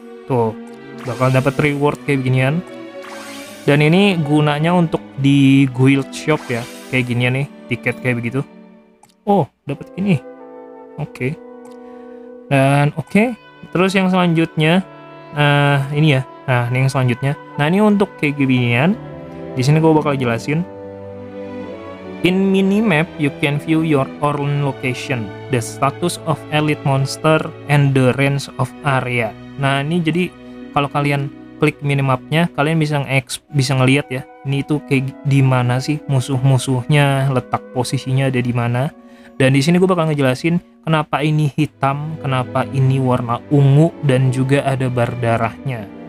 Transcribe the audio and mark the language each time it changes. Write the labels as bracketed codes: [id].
[id] Tuh, bakalan dapat reward kayak beginian. Dan ini gunanya untuk di guild shop ya, kayak gini ya nih, tiket kayak begitu. Oh, dapat ini. Oke. Dan oke. Terus yang selanjutnya, ini ya. Nah, ini yang selanjutnya. Nah, ini untuk kayak ginian. Di sini gue bakal jelasin. [en] In minimap, you can view your own location, the status of elite monster, and the range of area. [id] Nah, ini jadi kalau kalian klik minimapnya, kalian bisa ngelihat ya. Ini tuh kayak di mana sih musuh-musuhnya, letak posisinya ada di mana. Dan di sini gue bakal ngejelasin kenapa ini hitam, kenapa ini warna ungu, dan juga ada bar darahnya.